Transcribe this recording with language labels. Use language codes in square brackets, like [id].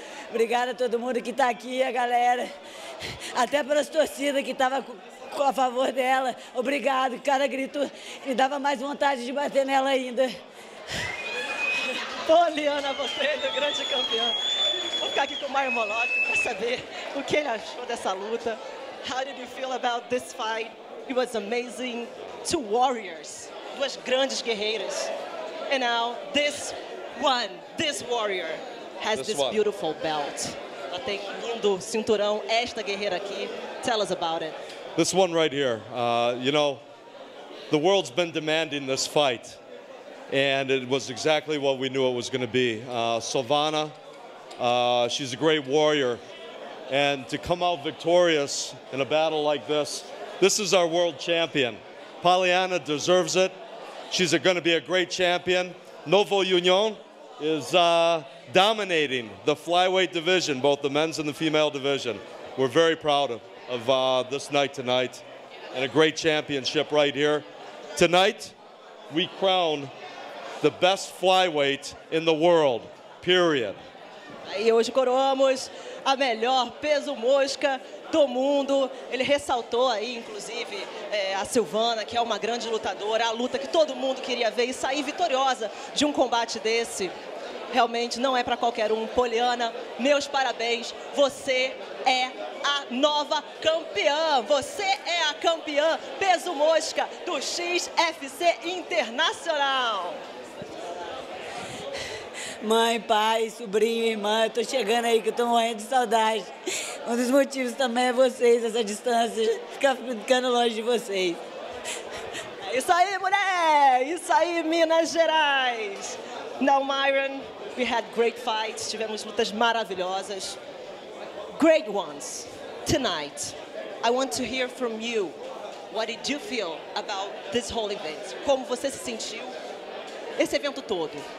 [pt] Obrigada a todo mundo que está aqui, a galera. Até pelas torcidas que estavam a favor dela. Obrigado, cada grito me dava mais vontade de bater nela ainda. Poliana, você é o grande campeão. Vou ficar aqui com o Mario Moloch para saber o que ele achou dessa luta. [en] How did you feel about this fight? It was amazing. Two warriors, [pt] duas grandes guerreiras. [en] And now this one, this warrior, has this, this beautiful belt. [pt] Ela tem lindo cinturão, esta guerreira aqui. [en] Tell us about it. This one right here. You know, the world's been demanding this fight. And it was exactly what we knew it was going to be. Silvana. She's a great warrior, and to come out victorious in a battle like this, this is our world champion. Poliana deserves it. She's going to be a great champion. Novo Union is dominating the flyweight division, both the men's and the female division. We're very proud of this night tonight, and a great championship right here. Tonight, we crown the best flyweight in the world, period. [pt] E hoje coroamos a melhor peso mosca do mundo. Ele ressaltou aí, inclusive, a Silvana, que é uma grande lutadora. A luta que todo mundo queria ver e sair vitoriosa de um combate desse. Realmente não é para qualquer um. Poliana, meus parabéns. Você é a nova campeã. Você é a campeã peso mosca do XFC Internacional. Mãe, pai, sobrinho, irmã, eu tô chegando aí que eu tô morrendo de saudade. Um dos motivos também é vocês, essa distância, ficando longe de vocês. É isso aí, mulher! Isso aí, Minas Gerais! [en] Now, Myron, we had great fights, [pt] tivemos lutas maravilhosas. [en] Great ones. Tonight, I want to hear from you. What did you feel about this whole event? [pt] Como você se sentiu esse evento todo?